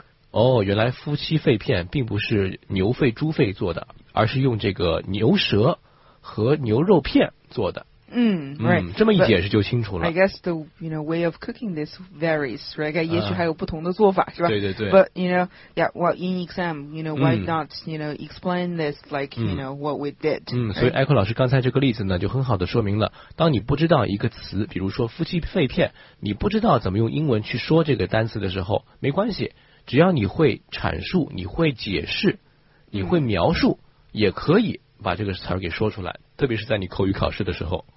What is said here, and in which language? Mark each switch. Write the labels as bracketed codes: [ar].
[zh] 哦，原来夫妻肺片并不是牛肺、猪肺做的，而是用这个牛舌和牛肉片做的。 [en] Right. [zh] 这么一解释就清楚了。 [en] But、I guess the you know way of cooking this varies, right? [zh] 也许还有不同的做法，是吧？对对对。 [en] But you know, yeah. Well, in exam, you know, why not you know explain this like you know what we did? [zh] 所以 Echo 老师刚才这个例子呢，就很好的说明了，当你不知道一个词，比如说夫妻肺片，你不知道怎么用英文去说这个单词的时候，没关系，只要你会阐述，你会解释，你会描述，也可以把这个词儿给说出来，特别是在你口语考试的时候。